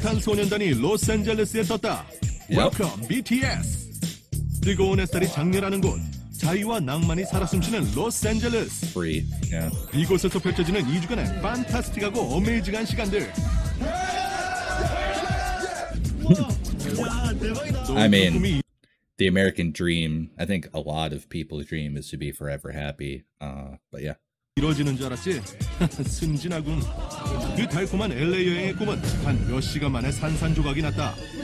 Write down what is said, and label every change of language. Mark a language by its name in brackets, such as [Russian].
[Korean] 방탄소년단이 로스앤젤레스에 떴다. [English] Welcome, BTS. [Korean] 뜨거운 햇살이 장렬하는 곳. 자유와 낭만이 살아 숨쉬는 로스앤젤레스. [English] Free. Yeah. [Korean] 이곳에서 펼쳐지는 2주간의 판타스틱하고 어메이징한 시간들. [English] I mean, the American dream, I think a lot of people's dream is to be forever happy. But yeah. [Korean] 이루어지는 줄 알았지? 순진하군. 그 달콤한 LA 여행의 꿈은 단 몇 시간 만에 산산조각이 났다.